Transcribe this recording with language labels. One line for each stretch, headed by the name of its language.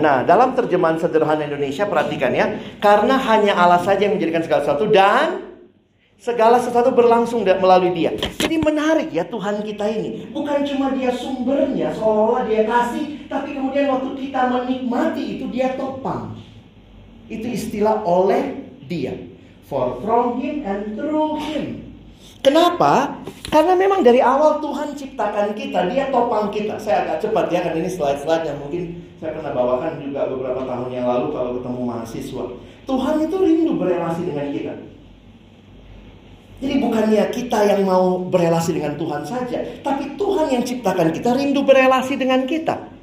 Indonesian: Nah, dalam terjemahan sederhana Indonesia perhatikan ya, karena hanya Allah saja yang menjadikan segala sesuatu dan segala sesuatu berlangsung melalui dia. Jadi menarik ya Tuhan kita ini. Bukan cuma dia sumbernya, seolah-olah dia kasih, tapi kemudian waktu kita menikmati itu dia topang. Itu istilah oleh dia.
English: For from him and through him.
Indonesian: Kenapa? Karena memang dari awal Tuhan ciptakan kita, dia topang kita. Saya agak cepat ya, karena ini slide-slide yang mungkin saya pernah bawakan juga beberapa tahun yang lalu kalau ketemu mahasiswa. Tuhan itu rindu berrelasi dengan kita. Jadi bukannya kita yang mau berrelasi dengan Tuhan saja, tapi Tuhan yang ciptakan kita rindu berrelasi dengan kita.